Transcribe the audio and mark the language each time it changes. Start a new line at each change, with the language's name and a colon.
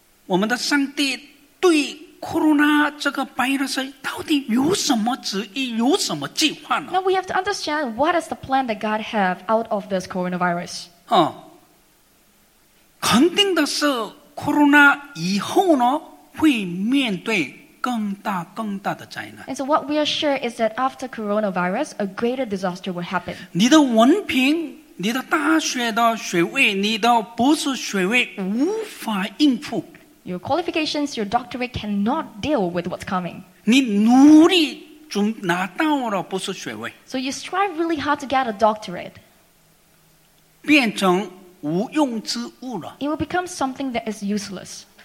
Chinese: 所以呢，我们一定要明白我们的上帝对 corona 这个virus到底有什么旨意，有什么计划呢？
English: Now we have to understand what is the plan that God have out of this coronavirus.
Chinese: 肯定的是 corona 以后呢会面对。更大的灾难。
English: And so what we are sure is that after coronavirus, a greater disaster will happen.
Chinese: 你的文凭、你的大学的学位、你的博士学位无法应付。
English: Your qualifications, your doctorate cannot deal with what's coming.
Chinese: 你努力拿到了博士学位。
English: So you strive really hard to get a doctorate.
Chinese: 变成无用之物了。
English: It will become something that is useless.